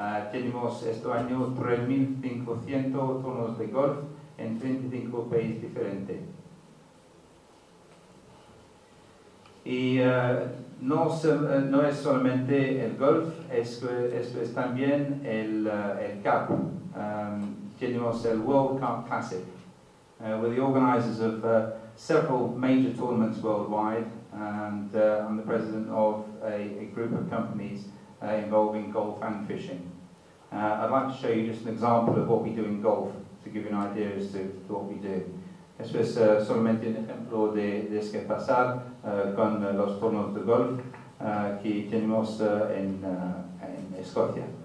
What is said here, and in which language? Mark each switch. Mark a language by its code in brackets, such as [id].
[es] Tenemos este año 3.500 torneos de golf en 35 países diferentes. Y no es solamente el golf, es también el CAP. Tenemos el [en] World Cup Classic, with the organizers of several major tournaments worldwide, and I'm the president of a group of companies involving golf and fishing. I'd like to show you just an example of what we do in golf to give you an idea as to what we do. [es] Esto es solamente un ejemplo de lo que pasa con los torneos de golf que tenemos en Escocia.